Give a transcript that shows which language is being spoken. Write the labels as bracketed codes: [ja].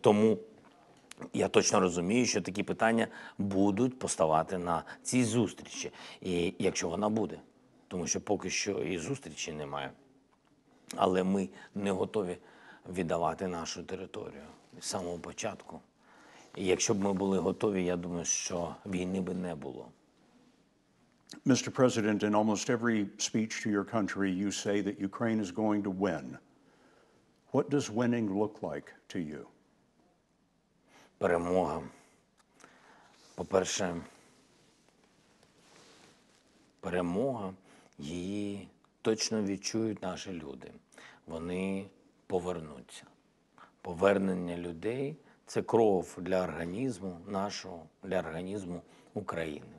[uk] Тому я точно розумію, що такі питання будуть поставати на цій зустрічі. І якщо вона буде, тому що поки що і зустрічі немає. Але ми не готові віддавати нашу територію з самого початку. І якщо б ми були готові, я думаю, що війни би не було. [en] Mr. President, in almost every speech to your country, you say that Ukraine is going to win. What does winning look like to you? [uk] Перемога. По-перше, перемога, її точно відчують наші люди. Вони повернуться. Повернення людей – це кров для організму нашого, для організму України.